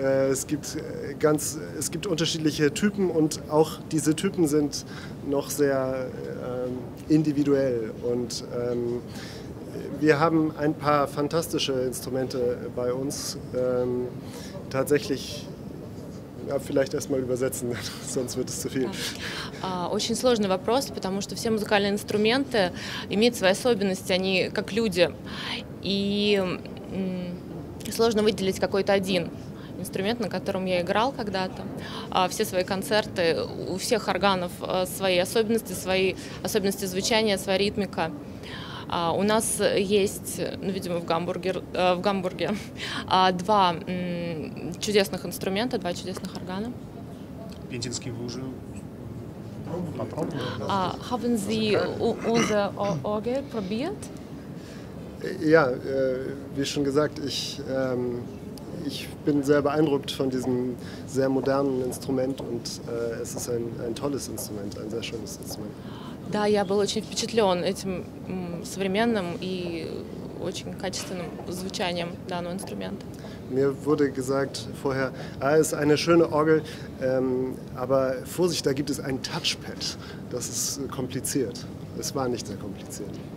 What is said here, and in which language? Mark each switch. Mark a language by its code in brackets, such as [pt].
[de] Es gibt unterschiedliche Typen und auch diese Typen sind noch sehr individuell. Und wir haben ein paar fantastische Instrumente bei uns. Tatsächlich, ja, vielleicht erstmal übersetzen, sonst wird es zu viel. [ru] Очень сложный вопрос, потому что все музыкальные инструменты имеют свои особенности, они как люди. И сложно выделить какой-то один инструмент, на котором я играл когда-то. Все свои концерты, у всех органов свои особенности звучания, своя ритмика. У нас есть, ну, видимо, в Гамбурге, два чудесных инструмента, два чудесных органа. Пензенский вы уже попробовали? [de] Haben Sie unser Orgel probiert? Ja, wie schon gesagt, ich bin sehr beeindruckt von diesem sehr modernen Instrument und es ist ein tolles Instrument, ein sehr schönes Instrument. [ru] Да, я был очень впечатлен этим современным и очень качественным звучанием данного инструмента. [de] Mir wurde gesagt vorher, ah, ist eine schöne Orgel, aber Vorsicht, da gibt es ein Touchpad. Das ist kompliziert. Es war nicht sehr kompliziert.